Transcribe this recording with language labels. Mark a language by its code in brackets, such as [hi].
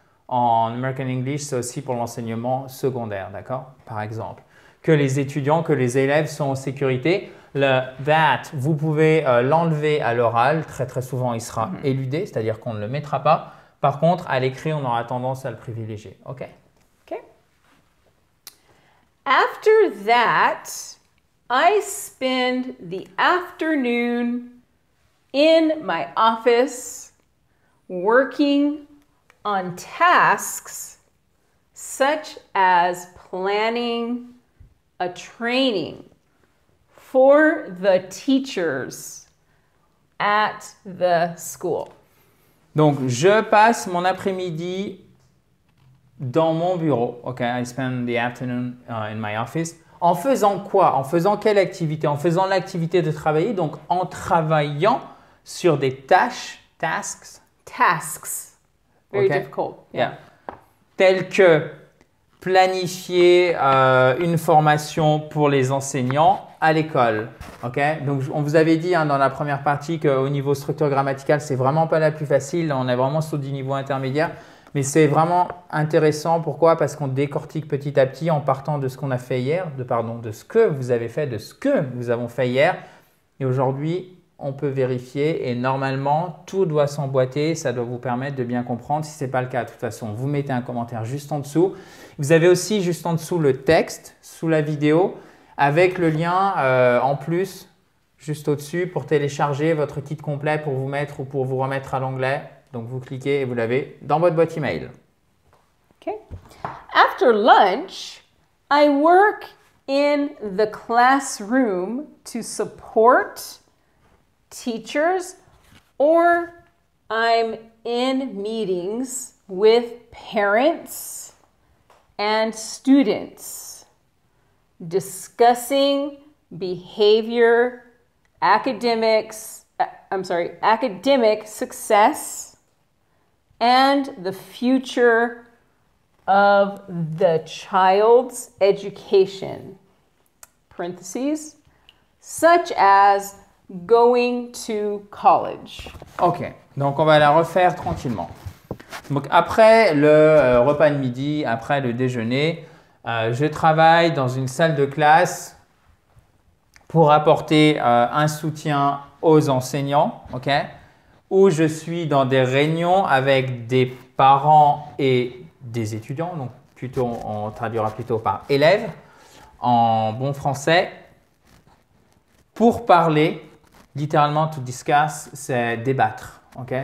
[fr] En American English, c'est aussi pour l'enseignement secondaire, d'accord? Par exemple. Que les étudiants, que les élèves sont en sécurité. Le « that », vous pouvez l'enlever à l'oral. Très, très souvent, il sera mm-hmm. éludé, c'est-à-dire qu'on ne le mettra pas. Par contre, à l'écrit, on aura tendance à le privilégier. [en] OK. OK. After that, I spend the afternoon in my office working on tasks such as planning a training for the teachers at the school. [fr] Donc, je passe mon après-midi dans mon bureau. [en] OK, I spend the afternoon in my office. [fr] En faisant quoi? En faisant quelle activité? En faisant l'activité de travailler, donc en travaillant sur des tâches, tasks. [en] Tasks. Very okay. difficult. Yeah. yeah. [fr] Telles que... planifier une formation pour les enseignants à l'école. Okay? Donc, on vous avait dit hein, dans la première partie qu'au niveau structure grammaticale, ce n'est vraiment pas la plus facile. On est vraiment sur du niveau intermédiaire. Mais c'est vraiment intéressant. Pourquoi? Parce qu'on décortique petit à petit en partant de ce qu'on a fait hier, de ce que nous avons fait hier. Et aujourd'hui, on peut vérifier et normalement, tout doit s'emboîter. Ça doit vous permettre de bien comprendre. Si ce n'est pas le cas, de toute façon, vous mettez un commentaire juste en dessous. Vous avez aussi juste en dessous le texte, sous la vidéo, avec le lien en plus, juste au-dessus, pour télécharger votre kit complet pour vous mettre ou pour vous remettre à l'anglais. Donc, vous cliquez et vous l'avez dans votre boîte email. [en] OK. After lunch, I work in the classroom to support teachers or I'm in meetings with parents and students discussing behavior, academics, I'm sorry, academic success and the future of the child's education, parentheses, such as going to college. [fr] Ok, donc on va la refaire tranquillement. Donc après le repas de midi, après le déjeuner, je travaille dans une salle de classe pour apporter un soutien aux enseignants, ok? Où je suis dans des réunions avec des parents et des étudiants, donc plutôt, on traduira plutôt par élèves, en bon français, pour parler, littéralement, to discuss, c'est débattre, ok?